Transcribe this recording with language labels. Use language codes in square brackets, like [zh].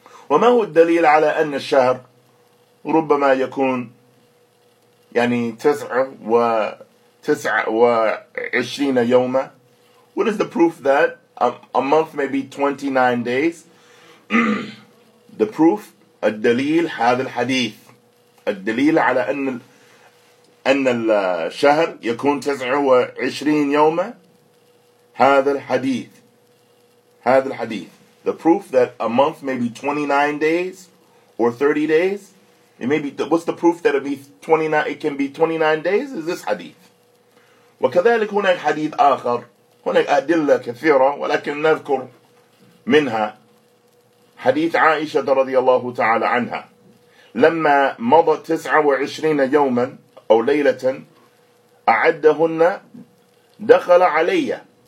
[ar] وما هو الدليل على أن الشهر ربما يكون يعني 29 يوما. [en] What is the proof that a month may be 29 days? The proof, [ar] الدليل هذا الحديث. الدليل على أن الشهر يكون 29 يوما. هذا الحديث. هذا الحديث. [en] The proof that a month may be 29 days or 30 days. It may be, what's the proof that it can be 29 days? Is this hadith. [ar] وكذلك هناك حديث آخر. هناك أدلة كثيرة ولكن نذكر منها حديث عائشة رضي الله تعالى عنها. لما مضت 29 يوما أو ليلة أعدهن دخل علي.